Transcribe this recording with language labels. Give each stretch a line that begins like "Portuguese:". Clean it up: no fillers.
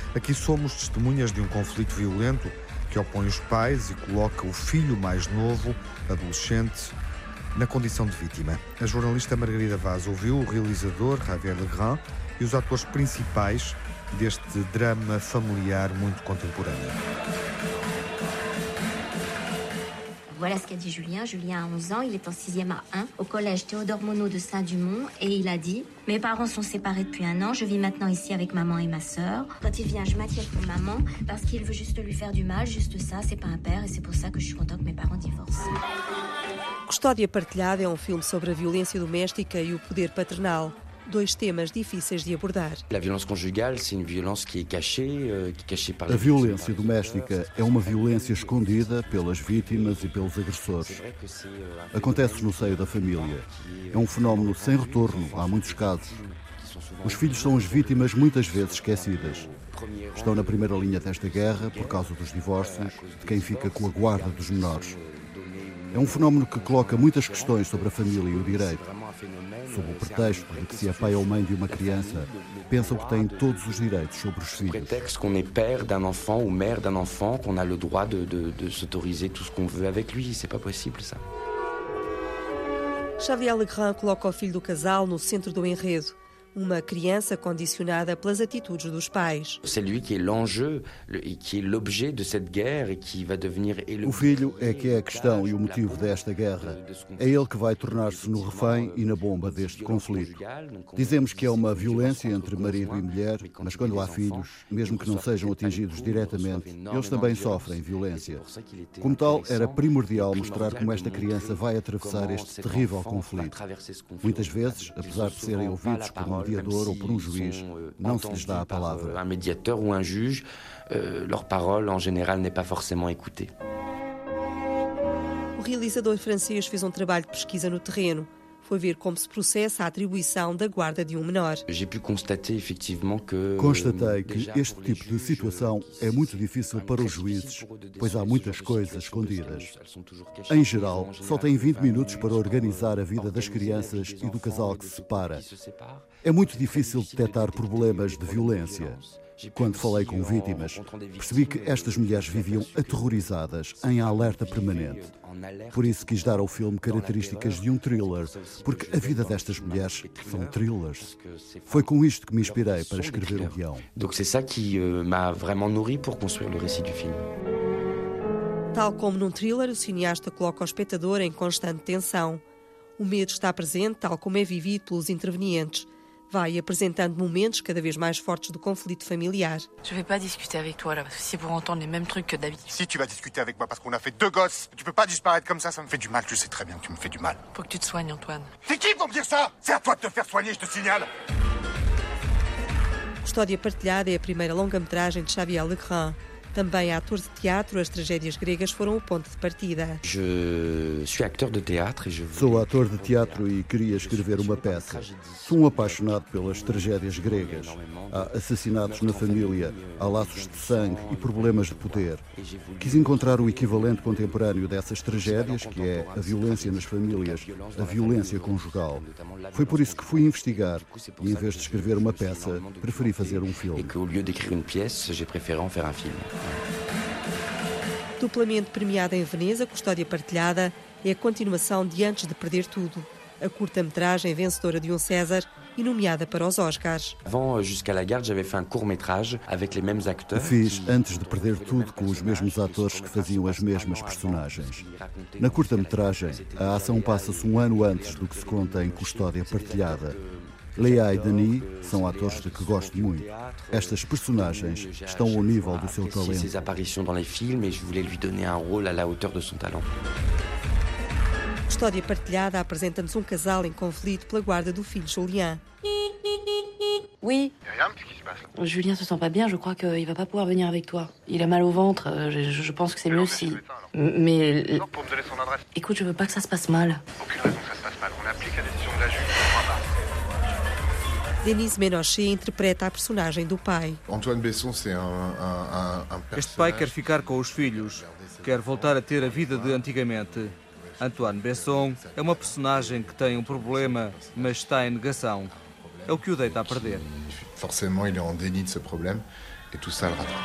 Portuguese: Aqui somos testemunhas de um conflito violento que opõe os pais e coloca o filho mais novo, adolescente, na condição de vítima. A jornalista Margarida Vaz ouviu o realizador Javier Legrand e os atores principais deste drama familiar muito contemporâneo.
French: Voilà ce qu'a dit Julien. Julien a 11 ans, il est en 6e A1 au collège Théodore Monod de Saint-Dumont et il a dit « Mes parents sont séparés depuis un an, je vis maintenant ici avec maman et ma sœur. Quand il vient, je m'inquiète pour maman parce qu'il veut juste lui faire du mal, juste ça, c'est pas un père et c'est pour ça que je suis content que mes parents divorcent. »
Portuguese: Custódia Partilhada é um filme sobre a violência doméstica e o poder paternal. Dois temas difíceis de abordar. A violência conjugal é uma violência que é
French: cachée
Portuguese: pela. A violência doméstica é uma violência escondida pelas vítimas e pelos agressores. Acontece no seio da família. É um fenómeno sem retorno, há muitos casos. Os filhos são as vítimas muitas vezes esquecidas. Estão na primeira linha desta guerra por causa dos divórcios, de quem fica com a guarda dos menores. É um fenómeno que coloca muitas questões sobre a família e o direito. Sob o pretexto de que se é pai ou mãe de uma criança, pensam que têm todos os direitos sobre os filhos. Pretexto
French: qu'on est père d'un enfant ou mère d'un enfant, qu'on a le droit de s'autoriser tout ce qu'on veut avec lui. C'est pas possible, ça.
Portuguese: Xavier Legrand coloca o filho do casal no centro do enredo. Uma criança condicionada pelas atitudes dos pais.
French: C'est lui qui est l'enjeu et qui est l'objet de cette guerre et qui va devenir.
Portuguese: O filho é que é a questão e o motivo desta guerra. É ele que vai tornar-se no refém e na bomba deste conflito. Dizemos que é uma violência entre marido e mulher, mas quando há filhos, mesmo que não sejam atingidos diretamente, eles também sofrem violência. Como tal, era primordial mostrar como esta criança vai atravessar este terrível conflito. Muitas vezes, apesar de serem ouvidos por um mediador ou por um juiz, não se lhes dá a palavra. Um mediador ou um juiz,
French: leur parole, en général, n'est pas forcément écoutée.
Portuguese: O realizador francês fez um trabalho de pesquisa no terreno. Foi ver como se processa a atribuição da guarda de um menor.
French: J'ai pu constater, effectivement, que.
Portuguese: Constatei que este tipo de situação é muito difícil para os juízes, pois há muitas coisas escondidas. Em geral, só têm 20 minutos para organizar a vida das crianças e do casal que se separa. É muito difícil detectar problemas de violência. Quando falei com vítimas, percebi que estas mulheres viviam aterrorizadas, em alerta permanente. Por isso quis dar ao filme características de um thriller, porque a vida destas mulheres são thrillers. Foi com isto que me inspirei para escrever o guião.
French: Donc c'est ça qui m'a vraiment nourri pour construire le récit du film.
Portuguese: Tal como num thriller, o cineasta coloca o espectador em constante tensão. O medo está presente, tal como é vivido pelos intervenientes. Vai apresentando momentos cada vez mais fortes do conflito familiar.
French: Je vais pas discuter avec toi là, parce que c'est pour entendre les mêmes trucs que David. Si tu vas discuter avec moi parce qu'on a fait deux gosses, tu peux pas disparaître comme ça, ça me fait du mal, tu sais très bien que tu me fais du mal. Faut que tu te soignes, Antoine. C'est qui pour me dire ça? C'est à toi de te faire soigner, je te signale.
Portuguese: Custódia Partilhada é a primeira longa-metragem de Xavier Legrand. Também ator de teatro, as tragédias gregas foram o ponto de partida. Sou ator de teatro e queria escrever uma peça. Sou um apaixonado pelas tragédias gregas. Há assassinatos na família, há laços de sangue e problemas de poder. Quis encontrar o equivalente contemporâneo dessas tragédias, que é a violência nas famílias, a violência conjugal. Foi por isso que fui investigar e, em vez de escrever uma peça, preferi fazer um filme. Que, ao invés de escrever uma peça, preferi fazer um filme. Duplamente premiada em Veneza, Custódia Partilhada é a continuação de Antes de Perder Tudo, a curta-metragem vencedora de um César e nomeada para os Oscars.
French: Avant jusqu'à la garde, j'avais fait un court-métrage avec les mêmes acteurs.
Portuguese: Fiz Antes de Perder Tudo com os mesmos atores que faziam as mesmas personagens. Na curta-metragem, a ação passa-se um ano antes do que se conta em Custódia Partilhada. Léa e Denis são atores de que gosto muito. Estas personagens estão ao nível do seu talento. Essas aparições nos filmes, eu queria lhe dar um rol à altura do seu talento. Custódia Partilhada apresenta-nos um casal em conflito pela guarda do filho Julien.
French: Oui. Rien, qu'est-ce qui se passe? Julien se sent pas bien, je crois qu'il va pas pouvoir venir avec toi. Il a mal au ventre, je pense que c'est mieux si. Mais. Pour me donner son adresse. Écoute, je veux pas que ça se passe mal. Aucune raison que ça se passe mal. On applique la décision de la juge.
Portuguese: Denise Ménochet interpreta a personagem do pai. Antoine Besson é um. Este pai quer ficar com os filhos, quer voltar a ter a vida de antigamente. Antoine Besson é uma personagem que tem um problema, mas está em negação. É o que o deita a perder.
French: Forcément,
Portuguese: ele é em
French: déni de ce problème,
Portuguese: e tudo se alarga.